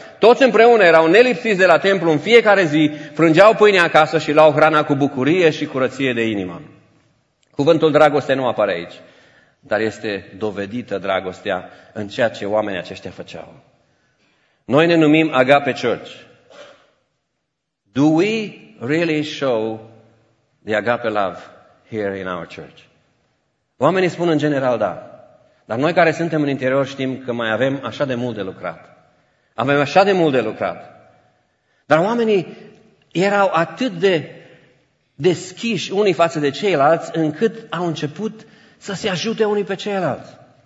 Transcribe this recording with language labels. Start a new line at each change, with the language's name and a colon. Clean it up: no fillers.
Romanian: Toți împreună erau nelipsiți de la templu în fiecare zi, frângeau pâinea acasă și luau hrana cu bucurie și curăție de inimă. Cuvântul dragoste nu apare aici, dar este dovedită dragostea în ceea ce oamenii aceștia făceau. Noi ne numim Agape Church.
English: Do we really show the agape love here in our church?
Romanian: Oamenii spun în general da, dar noi care suntem în interior știm că mai avem așa de mult de lucrat. Avem așa de mult de lucrat. Dar oamenii erau atât de deschiși unii față de ceilalți, încât au început să se ajute unii pe ceilalți.